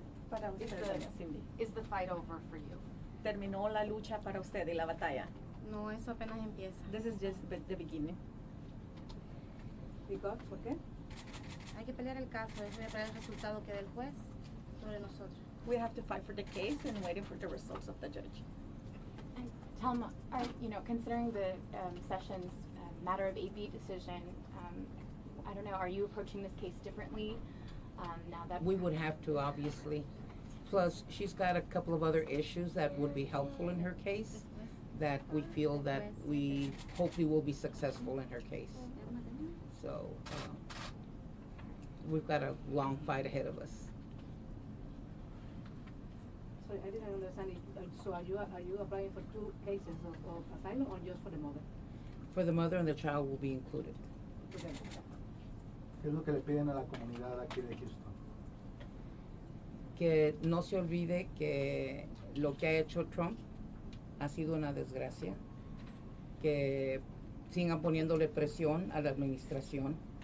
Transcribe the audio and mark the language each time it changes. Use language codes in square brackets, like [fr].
[es] Para usted, [en] is the fight over for you? [es] ¿Terminó la lucha para usted y la batalla? No, eso apenas empieza. [en] This is just the beginning. Because, [es] ¿por qué? Hay que pelear el caso, es ver el resultado que dé el juez sobre nosotros. [en] We have to fight for the case and waiting for the results of the judge. Thelma, you know, considering the session's matter of AB decision, I don't know, are you approaching this case differently now that we would have to, obviously. Plus, she's got a couple of other issues that would be helpful in her case that we feel that we hopefully will be successful in her case. So we've got a long fight ahead of us. I didn't understand it. So are you applying for 2 cases of asylum or just for the mother? For the mother and the child will be included. [es] ¿Qué es lo que le piden a la comunidad aquí de Houston? Que no se olvide que lo que ha hecho Trump ha sido una desgracia. Que sigan poniéndole presión a la administración.